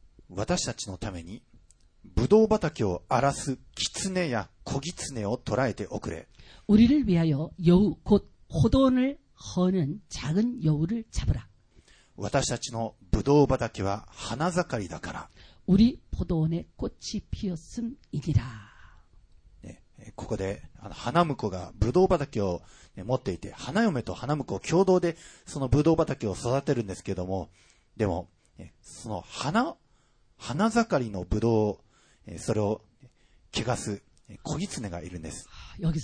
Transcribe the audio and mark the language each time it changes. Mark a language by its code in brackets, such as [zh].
[ja] 私たちのためにブドウ畑を荒らす狐や小狐を捕らえておくれ。 [ko] 우리를위하여여우곧포도원을허는작은여우를잡으라。 [ja] 私たちのブドウ畑は花盛りだから。 [ko] 우리포도원의꽃이피었음이니라 [ja] ここで花婿がブドウ畑を持っていて花嫁と花婿を共同でそのブドウ畑を育てるんですけどもでもその花盛りのブドウそれを汚す子ぎつねがいるんです。